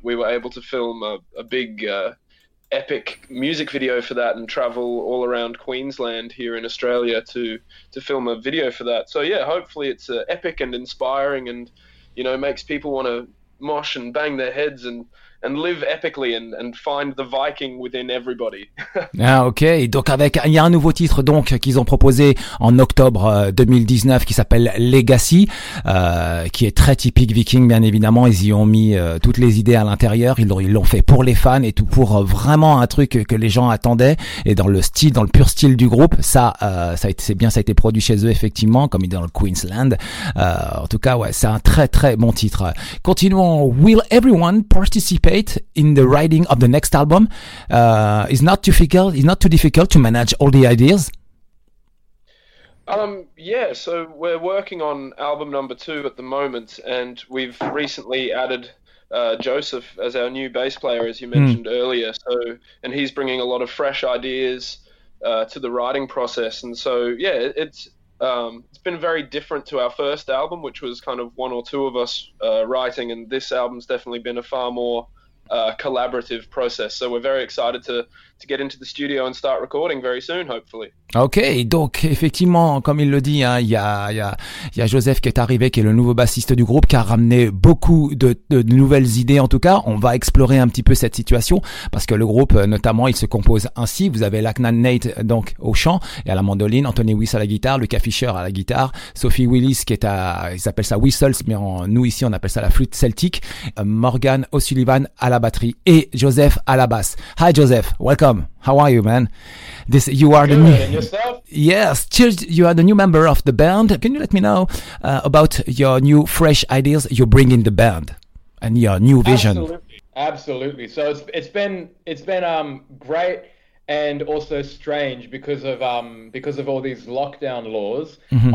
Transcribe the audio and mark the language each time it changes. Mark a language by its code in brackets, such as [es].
[en] We were able to film a big epic music video for that and travel all around Queensland here in Australia to film a video for that. So yeah, hopefully it's epic and inspiring, and you know, makes people want to mosh and bang their heads and live epically and find the Viking within everybody. [fr] Ah, ok, donc il y a un nouveau titre donc qu'ils ont proposé en octobre 2019 qui s'appelle Legacy, qui est très typique Viking bien évidemment. Ils y ont mis toutes les idées à l'intérieur, ils l'ont fait pour les fans et tout, pour vraiment un truc que les gens attendaient, et dans le style, dans le pur style du groupe, ça a été produit chez eux effectivement, comme dans le Queensland. En tout cas, ouais, c'est un très très bon titre. Continuons. [en] Will everyone participate in the writing of the next album? It's not too difficult to manage all the ideas? Yeah, so we're working on album number 2 at the moment, and we've recently added Joseph as our new bass player, as you mentioned earlier. So, and he's bringing a lot of fresh ideas to the writing process. And so, yeah, it's been very different to our first album, which was kind of one or two of us writing, and this album's definitely been a far more collaborative process. So we're very excited to get into the studio and start recording very soon, hopefully. [fr] Ok, donc effectivement, comme il le dit, hein, il y a Joseph qui est arrivé, qui est le nouveau bassiste du groupe, qui a ramené beaucoup de nouvelles idées. En tout cas, on va explorer un petit peu cette situation, parce que le groupe, notamment, il se compose ainsi. Vous avez Lachlan Neat donc au chant et à la mandoline, Anthony Wyss à la guitare, Lucas Fischer à la guitare, Sophie Willis qui est à, ils appellent ça whistles, mais nous ici on appelle ça la flûte celtique, Morgan O'Sullivan à la batterie et Joseph à la basse. [en] Hi Joseph, welcome. How are you, man? This you are good, the new. And yourself? Yes, you are the new member of the band. Can you let me know about your new fresh ideas you bring in the band and your new vision? Absolutely. So it's been great and also strange because of all these lockdown laws. Mm-hmm.